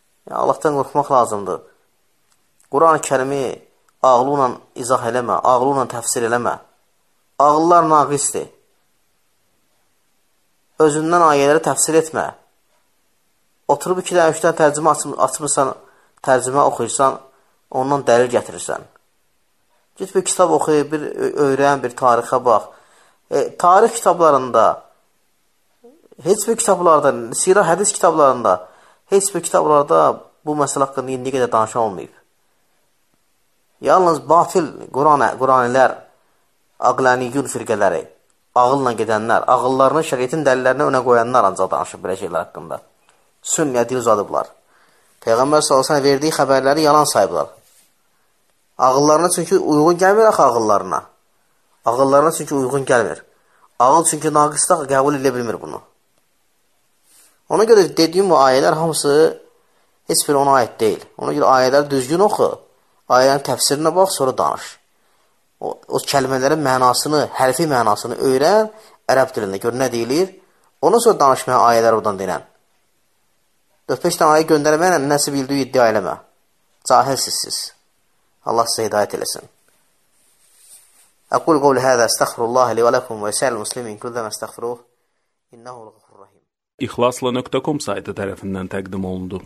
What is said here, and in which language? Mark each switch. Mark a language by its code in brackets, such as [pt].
[az] Ya, Allahdan qorxmaq lazımdır. Quran-ı kərimi ağlınla izah eləmə, ağlınla təfsir eləmə. Ağıllar naqisdir. Özündən ayələri təfsir etmə. Oturub 2 dənə 3 dənə tərcümə açmırsan, tərcümə oxuyursan, ondan dəlil gətirirsən. Git bir kitab oxuy, bir öyrən, bir tarixə bax. Tarix kitablarında, heç bir kitablarda, sira hədis kitablarında, heç bir kitablarda bu məsələ haqqında indi qədər danışan olmayıb. Yalnız batil Quranilər, aqlaniyyun firqələri, ağılla gedənlər, ağıllarının şəriətin dəlillərini önə qoyanlar ancaq danışır belə şeylər haqqında. Sünniyə dil uzadıblar. Peyğəmbər sallallahu əleyhi və səlləm verdiyi xəbərləri yalan sayıblar. Ağıllarına çünki uyğun gəlmir axı ağıllarına. Ağıllarına çünki uyğun gəlmir. Ağıl çünki naqisdir, qəbul edə bilmir bunu. Ona görə dediyim bu ayələr hamısı heç bir ona aid deyil. Ona görə ayələri düzgün oxu, ayələrin təfsirinə bax, sonra danış. O kəlmələrin mənasını, hərfi mənasını öyrən, ərəb dilində gör nə deyilir. Ona sonra danışmaya ayələri oradan deyilən. 4-5 tane ayə göndərməklə nəsə bildiyi iddia eləmə. Cahilsiz siz. Allah sizə hidayət eləsin. [ar] أقول قول هذا، أستغفر الله لي ولكم ولسائر المسلمين كل ذنب أستغفروه إنه الغفور الرحيم. [az] İhlasla.com saytı tarafından takdim olundu.